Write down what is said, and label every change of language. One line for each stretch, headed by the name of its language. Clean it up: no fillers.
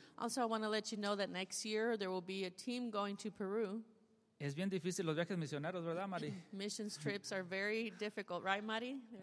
English: Also, I want to let you know that next year there will be a team going to Peru.
Spanish: Es bien difícil los viajes misioneros, ¿verdad, Mari?
English: Missions trips are very difficult, right, Mari?